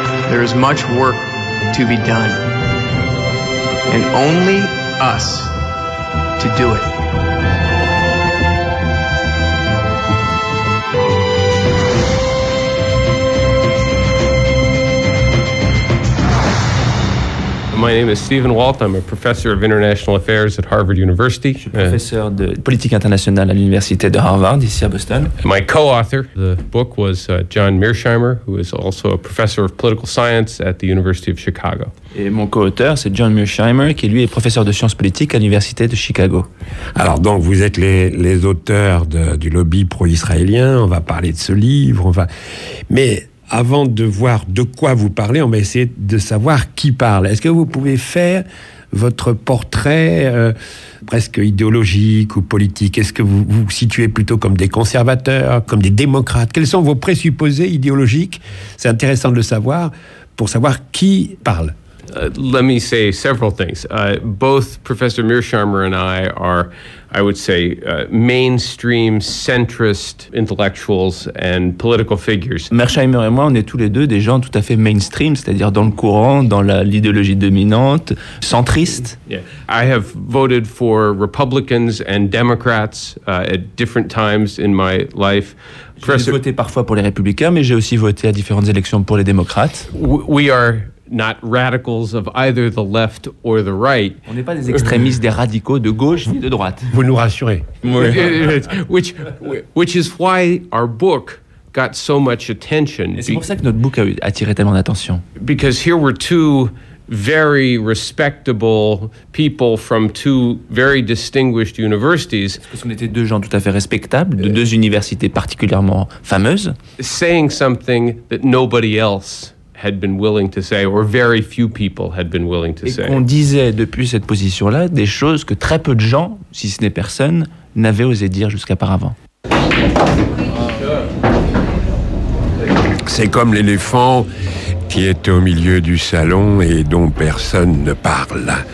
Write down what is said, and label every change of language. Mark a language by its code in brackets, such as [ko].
[en] There is much work to be done, and only us to do it. Oh. My name is Stephen Walt. I'm a professor of international affairs at Harvard University. [fr] Je suis professeur de politique internationale à l'université de Harvard, ici à Boston. [en] My co-author of the book was John Mearsheimer, who is also a professor of political science at the University of Chicago. [fr] Et mon co-auteur, c'est John Mearsheimer, qui lui est professeur de sciences politiques à l'université de Chicago. Alors donc, vous êtes les auteurs du lobby pro-israélien, on va parler de ce livre, mais avant de voir de quoi vous parlez, on va essayer de savoir qui parle. Est-ce que vous pouvez faire votre portrait presque idéologique ou politique? Est-ce que vous vous situez plutôt comme des conservateurs, comme des démocrates? Quels sont vos présupposés idéologiques? C'est intéressant de le savoir, pour savoir qui parle. [en] Let me say several things. Both Professor Mearsheimer and I are, I would say, mainstream centrist intellectuals and political figures. [fr] Mearsheimer et moi, on est tous les deux des gens tout à fait mainstream, c'est-à-dire dans le courant, dans l'idéologie dominante, centriste. [en] Yeah. I have voted for Republicans and Democrats at different times in my life. [fr] J'ai voté parfois pour les Républicains, mais j'ai aussi voté à différentes élections pour les Démocrates. [en] We are not radicals of either the left or the right. [fr] On n'est pas des extrémistes, des radicaux de gauche ni de droite. Vous nous rassurez. [en] which is why our book got so much attention. [fr] Et c'est pour ça que notre book a attiré tellement d'attention. [en] Because here were two very respectable people from two very distinguished universities. [fr] Parce qu'on était deux gens tout à fait respectables, de deux universités particulièrement fameuses. [en] Saying something that nobody else had been willing to say, or very few people had been willing to say. [fr] Et qu'on disait depuis cette position-là des choses que très peu de gens, si ce n'est personne, n'avaient osé dire jusqu'auparavant. C'est comme l'éléphant qui est au milieu du salon et dont personne ne parle.